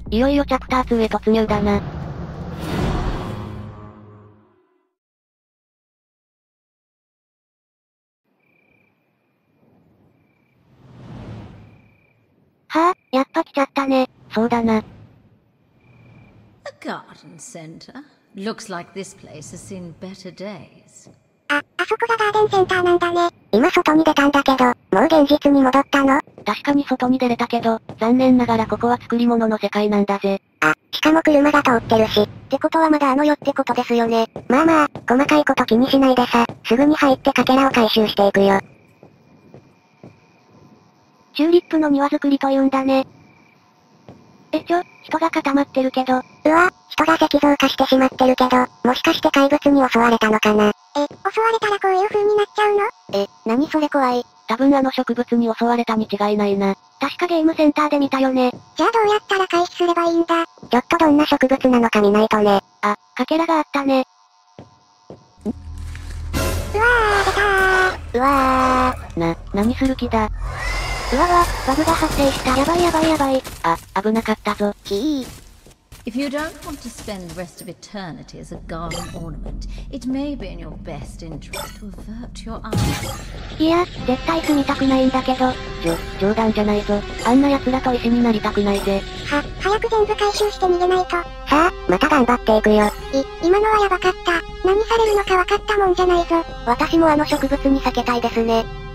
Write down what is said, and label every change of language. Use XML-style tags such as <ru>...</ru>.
<ja>いよいよチャプター2へ突入だな。はあ、やっぱ来ちゃったね。そうだな。</ja> <en>A garden center? Looks like this place has seen better days.</en> <ja>あそこがガーデンセンターなんだね。今外に出たんだけど、もう現実に戻ったの？確かに外に出れたけど、残念ながらここは作り物の世界なんだぜ。あ、しかも車が通ってるし。ってことはまだあの世ってことですよね。まあまあ、細かいこと気にしないでさ、すぐに入ってかけらを回収していくよ。チューリップの庭作りと言うんだね。え、ちょ、人が固まってるけど。うわ、人が石像化してしまってるけど、もしかして怪物に襲われたのかな。え、襲われたらこういう風になっちゃうの？え、何それ怖い。多分あの植物に襲われたに違いないな。確かゲームセンターで見たよね。じゃあどうやったら回避すればいいんだ。ちょっとどんな植物なのか見ないとね。あ、かけらがあったね。うわー、出たー。うわー。何する気だ。うわわ、バグが発生した。やばいやばいやばい。あ、危なかったぞ。ひぃ。</ja> <en>If you don't want to spend the rest of eternity as a garden ornament, it may be in your best interest to avert your eyes.</en> <ja>いや、絶対住みたくないんだけど。冗談じゃないぞ。あんな奴らと石になりたくないぜ。早く全部回収して逃げないと。さあ、また頑張っていくよ。今のはやばかった。何されるのか分かったもんじゃないぞ。私もあの植物に避けたいですね。</ja>